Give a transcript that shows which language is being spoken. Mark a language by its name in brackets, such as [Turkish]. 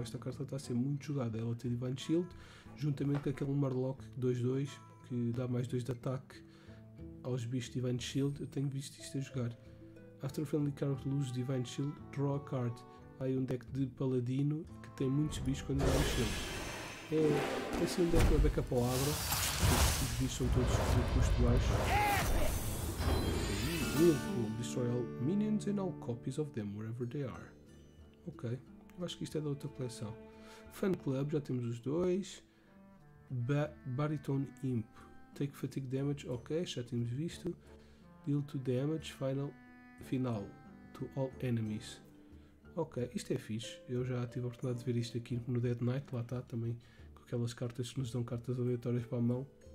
[Portuguese] Esta carta está a ser muito jogada. Ela tem Divine Shield, juntamente com aquele Murloc 2-2 que dá mais 2 de ataque aos bichos de Divine Shield. Eu tenho visto isto a jogar. [English] After a friendly card loses Divine Shield, draw a card. [Portuguese] Há aí um deck de Paladino que tem muitos bichos com Divine Shield. É assim um deck para backup ao agro. Os bichos são todos de custo baixo. [English] Will destroy all minions and all copies of them wherever they are. [Portuguese] Ok, eu acho que isto é da outra coleção. Fan Club, já temos os dois. Baritone Imp, [English] take fatigue damage, [Portuguese] ok, já temos visto. [English] Deal 2 damage, final to all enemies. [Portuguese] Ok, isto é fixe, eu já tive a oportunidade de ver isto aqui no Dead Knight, lá está também com aquelas cartas que nos dão cartas aleatórias para a mão.